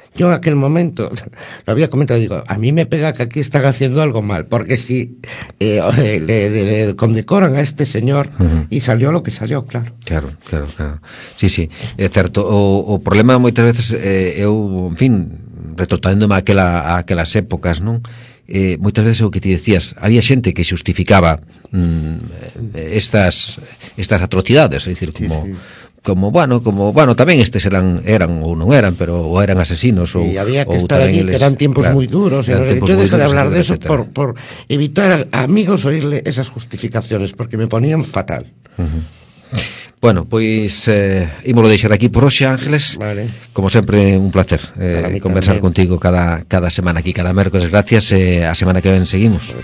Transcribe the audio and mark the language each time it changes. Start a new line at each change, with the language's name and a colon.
Spanish: Yo en aquel momento lo había comentado, digo, a mí me pega que aquí están haciendo algo mal, porque si le condecoran a este señor, y salió lo que salió, claro. Claro, claro, claro. Sí, sí, es cierto.
Galician: O problema
Spanish: muchas veces,
Galician: en fin, retrotraéndome a aquelas épocas, non? Moitas veces o que ti decías, había xente que xustificaba estas atrocidades, é dicir, como como tamén estes eran ou non eran, pero ou eran asesinos, ou
Spanish: sí, había que ou estar allí, que eran tiempos moi duros, yo dejé de hablar de eso por evitar a amigos oírle esas justificaciones, porque me ponían fatal.
Galician: Bueno, pois ímolo deixar aquí por hoxe, Ángeles. Vale. Como sempre, un placer conversar
Spanish: también contigo
Galician: cada semana aquí, cada mércoles. Gracias, a semana que ven seguimos.